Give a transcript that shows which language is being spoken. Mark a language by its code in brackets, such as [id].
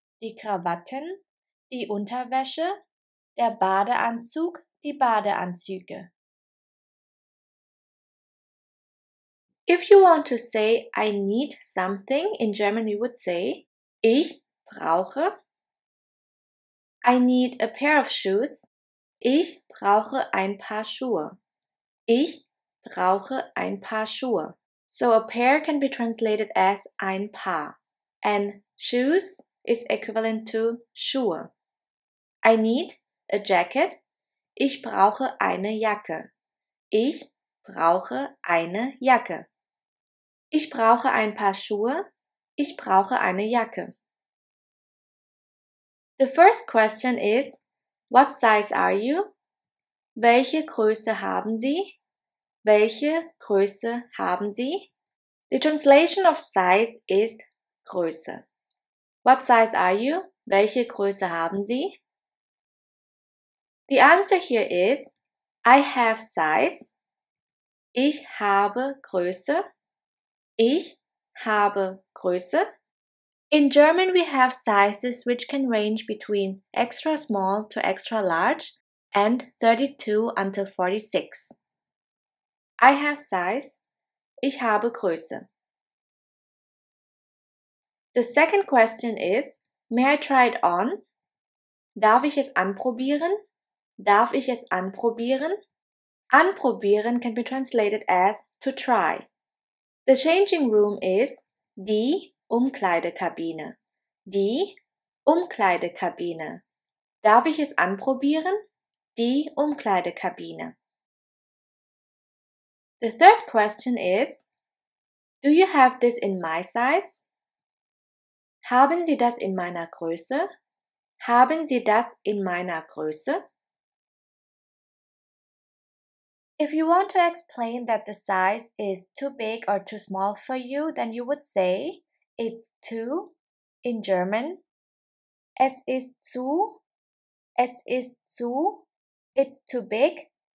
[de] Die Krawatten. Die Unterwäsche. Der Badeanzug. Die Badeanzüge. [en] If you want to say I need something, in German you would say [de] ich brauche. [en] I need a pair of shoes. [de] Ich brauche ein paar Schuhe. Ich brauche ein paar Schuhe. [en] So a pair can be translated as [de] ein paar. [en] And shoes is equivalent to Schuhe. I need a jacket. [de] Ich brauche eine Jacke. Ich brauche eine Jacke. Ich brauche ein paar Schuhe. Ich brauche eine Jacke. [en] The first question is, what size are you? [de] Welche Größe haben Sie? Welche Größe haben Sie? [en] The translation of size is Größe. What size are you? [de] Welche Größe haben Sie? [en] The answer here is, I have size. [de] Ich habe Größe. Ich habe Größe. [en] In German, we have sizes which can range between extra small to extra large and 32 until 46. I have size. [de] Ich habe Größe. [en] The second question is, may I try it on? [de] Darf ich es anprobieren? Darf ich es anprobieren? [en] Anprobieren can be translated as to try. The changing room is [de] die Umkleidekabine. Die Umkleidekabine. Darf ich es anprobieren? Die Umkleidekabine. [en] The third question is, do you have this in my size? [de] Haben Sie das in meiner Größe? Haben Sie das in meiner Größe? [en] If you want to explain that the size is too big or too small for you, then you would say it's too in German. [de] Es ist zu. Es ist zu. [en] It's too big.